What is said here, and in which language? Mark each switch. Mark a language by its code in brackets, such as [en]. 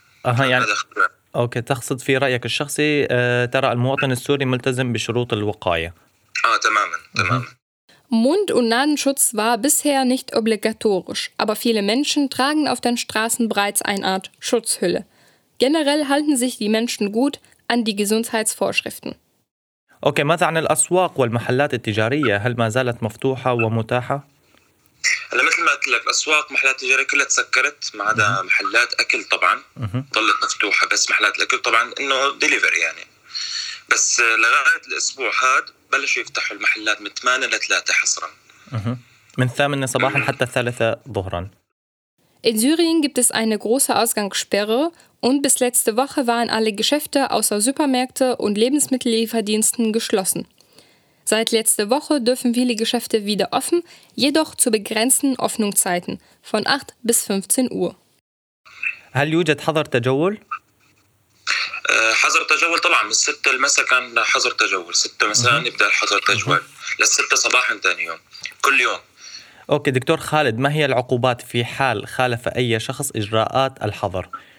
[ar] أها يعني أوكي، تقصد في رأيك الشخصي ترى المواطن السوري ملتزم بشروط الوقاية؟ تماما. [de] Mund- und Nasenschutz war bisher nicht obligatorisch, aber viele Menschen tragen auf den Straßen bereits eine Art Schutzhülle. Generell halten sich die Menschen gut an die Gesundheitsvorschriften. [ar] Okay, ماذا عن الأسواق والمحلات التجارية؟ هل ما زالت مفتوحة ومتاحة؟ هلا مثل ما قلت لك أسواق محلات تجارية كلها تسكرت ما عدا محلات أكل طبعا ظلت مفتوحة، بس محلات الأكل طبعا إنه ديليفري يعني، بس لغاية الأسبوع هذا بلشوا يفتحوا المحلات من 8 إلى 3 حصرا من 8 صباحا حتى 3 ظهرا. [de] In Syrien gibt es eine große Ausgangssperre und bis letzte Woche waren alle Geschäfte außer Supermärkte und Lebensmittellieferdiensten geschlossen. Seit letzte Woche dürfen viele Geschäfte wieder offen, jedoch zu begrenzten Öffnungszeiten von 8 bis 15 Uhr. [ar] هل يوجد حظر تجول؟ حظر تجول طبعا من 6 المساء كان حظر تجول، 6 مساء نبدا الحظر تجول لل 6 صباحا ثاني يوم كل يوم. أوكي دكتور خالد، ما هي العقوبات في حال خالف أي شخص إجراءات الحظر؟